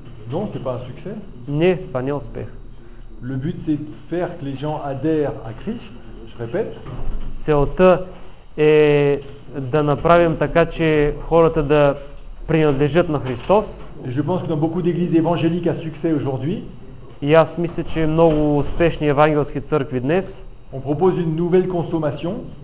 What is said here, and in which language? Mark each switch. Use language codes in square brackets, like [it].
[fr] Non, c'est pas un succès. Né, pas né en spé. Le but c'est de faire que les gens adhèrent à Christ, je répète. [bg] Целта е да направим така, че хората да принадлежат на Христос. [fr] Et je pense que dans beaucoup d'églises évangéliques à succès aujourd'hui. [bg] И аз мисля, че много успешни евангелски църкви днес. [fr] On propose une nouvelle consommation.